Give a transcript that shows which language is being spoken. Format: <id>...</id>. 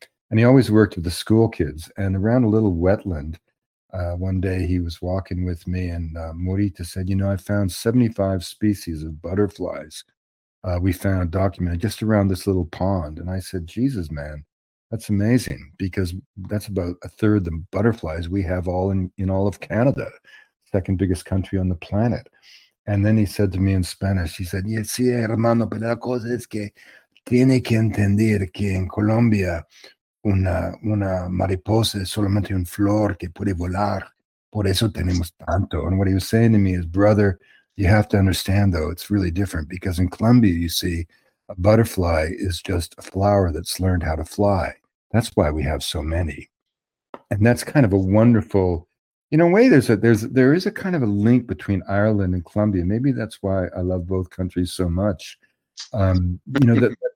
<en>And he always worked with the school kids. And around a little wetland, one day he was walking with me, and Morita said, you know, I found 75 species of butterflies. We found documented just around this little pond. And I said, Jesus, man, that's amazing, because that's about a third the butterflies we have all in all of Canada, second biggest country on the planet. And then he said to me in Spanish, he said, yeah,</en> <es>sí, hermano, pero la cosa es que tiene que entender que en Colombia una mariposa es solamente un flor que puede volar, por eso tenemos tanto.</es> <en>And what he was saying to me is, brother, you have to understand, though, it's really different, because in Colombia, you see, a butterfly is just a flower that's learned how to fly. That's why we have so many. And that's kind of a wonderful, in a way, there is a kind of a link between Ireland and Colombia. Maybe that's why I love both countries so much. You know, that</en>